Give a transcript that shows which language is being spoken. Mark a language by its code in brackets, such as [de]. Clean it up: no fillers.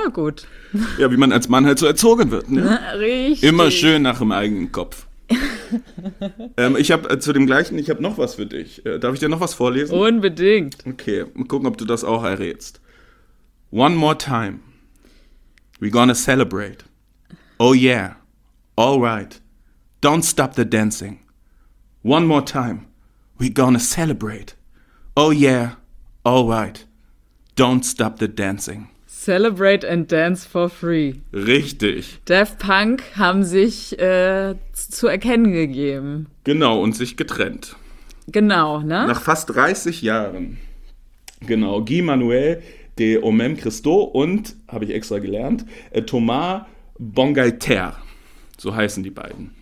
[de] Na gut. Ja, wie man als Mann halt so erzogen wird, ne? Na, richtig. Immer schön nach dem eigenen Kopf. ich habe zu dem Gleichen, ich habe noch was für dich. Darf ich dir noch was vorlesen? Unbedingt. Okay, mal gucken, ob du das auch errätst. [en] One more time. We're gonna celebrate. Oh yeah, all right, don't stop the dancing. One more time, we're gonna celebrate. Oh yeah, all right, don't stop the dancing. Celebrate and dance for free. [de] Richtig. Daft Punk haben sich zu erkennen gegeben. Genau, und sich getrennt. Genau, ne? Nach fast 30 Jahren. Genau, Guy Manuel de Omem Christo und, habe ich extra gelernt, Thomas Bongalter, so heißen die beiden.